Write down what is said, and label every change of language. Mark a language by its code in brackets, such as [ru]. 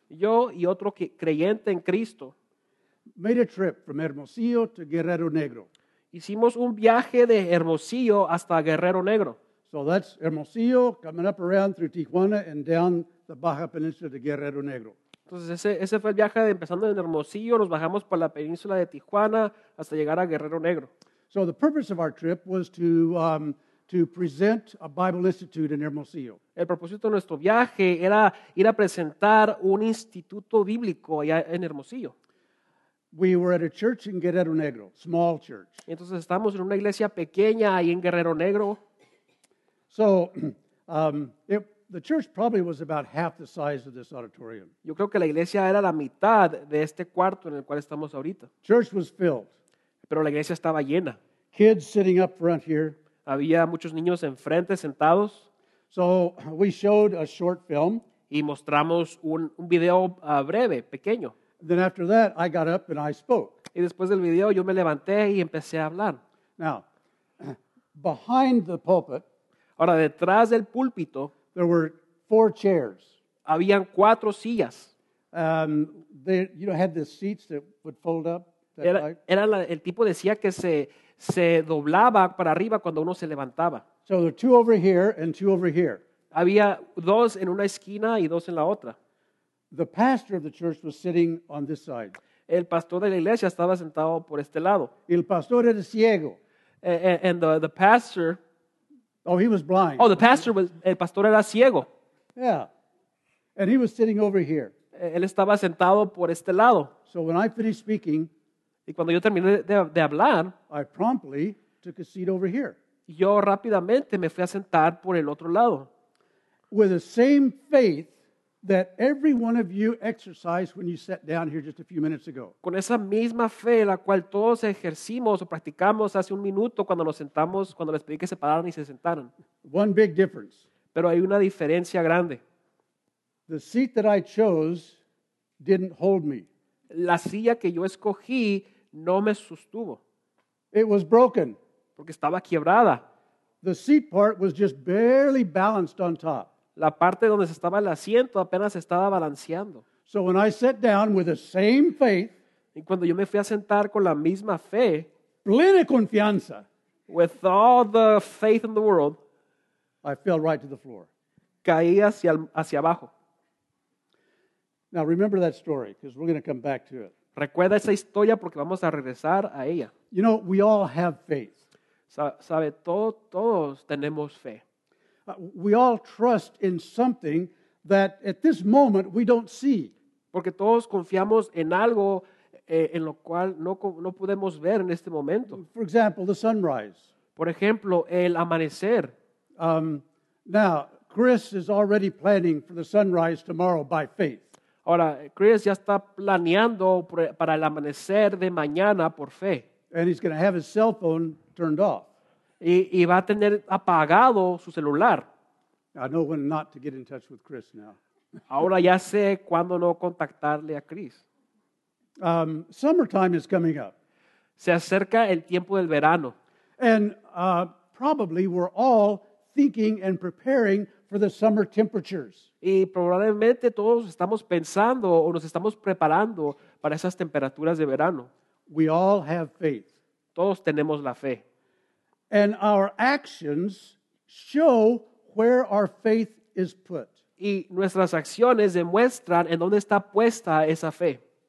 [es] Yo y otro creyente en Cristo. [en] Made a trip from Hermosillo to Guerrero Negro. [es] Hicimos un viaje de Hermosillo hasta Guerrero Negro. [en] So that's Hermosillo coming up around through Tijuana and down the Baja Peninsula to Guerrero Negro. [es] Entonces ese fue el viaje de empezando en Hermosillo, nos bajamos por la península de Tijuana hasta llegar a Guerrero Negro. [en] So the purpose of our trip was to present a Bible Institute in Hermosillo. [es] El propósito de nuestro viaje era ir a presentar un instituto bíblico allá en Hermosillo. [en] We were at a church in Guerrero Negro, small church. [es] Entonces estamos en una iglesia pequeña ahí en Guerrero Negro. [en] So the church probably was about half the size of this auditorium. [es] Yo creo que la iglesia era la mitad de este cuarto en el cual estamos ahorita. [en] Church was filled. [es] Pero la iglesia estaba llena. [en] Kids sitting up front here. [es] Había muchos niños enfrente sentados. [en] So we showed a short film. [es] Y mostramos un video breve, pequeño. [en] Then after that, I got up and I spoke. [es] Y después del video, yo me levanté y empecé a hablar. [en] Now, behind the pulpit, [es] ahora detrás del púlpito, [en] there were four chairs. [es] Habían cuatro sillas. [en] They, you know, had the seats that would fold up. [es] El tipo decía que se doblaba para arriba cuando uno se levantaba. [en] So there were two over here and two over here. [es] Había dos en una esquina y dos en la otra. [en] The pastor of the church was sitting on this side. [es] El pastor de la iglesia estaba sentado por este lado. El pastor era ciego. [en] And the pastor. Oh, he was blind. Oh, the pastor was. [es] El pastor era ciego. [en] Yeah. And he was sitting over here. [es] Él estaba sentado por este lado. [en] So when I finished speaking. [es] Y cuando yo terminé de hablar. [en] I promptly took a seat over here. [es] Yo rápidamente me fui a sentar por el otro lado. [en] With the same faith that every one of you exercised when you sat down here just a few minutes ago. [es] Con esa misma fe la cual todos ejercimos o practicamos hace un minuto cuando nos sentamos, cuando les pedí que se pararan y se sentaran. [en] One big difference. [es] Pero hay una diferencia grande. [en] The seat that I chose didn't hold me. [es] La silla que yo escogí no me sostuvo. [en] It was broken. [es] Porque estaba quebrada. [en] The seat part was just barely balanced on top. [es] La parte donde se estaba el asiento apenas estaba balanceando. [en] So when I sat down with the same faith, [es] y cuando yo me fui a sentar con la misma fe, plena confianza, [en] with all the faith in the world, I fell right to the floor. [es] Caí hacia abajo. [en] Now remember that story because we're going to come back to it. [es] Recuerda esa historia porque vamos a regresar a ella. [en] You know, we all have faith. [es] Sabe, todos tenemos fe. [en] We all trust in something that at this moment we don't see. [es] Porque todos confiamos en algo en lo cual no podemos ver en este momento. [en] For example, the sunrise. [es] Por ejemplo, el amanecer. [en] Now, Chris is already planning for the sunrise tomorrow by faith. [es] Ahora, Chris ya está planeando para el amanecer de mañana por fe. [en] And he's going to have his cell phone turned off. [es] Y va a tener apagado su celular. [en] I know when not to get in touch with Chris now. [es] Ahora ya sé cuándo no contactarle a Chris. [en] Summertime is coming up. [es] Se acerca el tiempo del verano. [en] And probably we're all thinking and preparing for the summer temperatures. [es] Y probablemente todos estamos pensando o nos estamos preparando para esas temperaturas de verano. [en] We all have faith. [es] Todos tenemos la fe. [en] And our actions show where our faith is put. [es] Y nuestras acciones demuestran en dónde está puesta esa fe.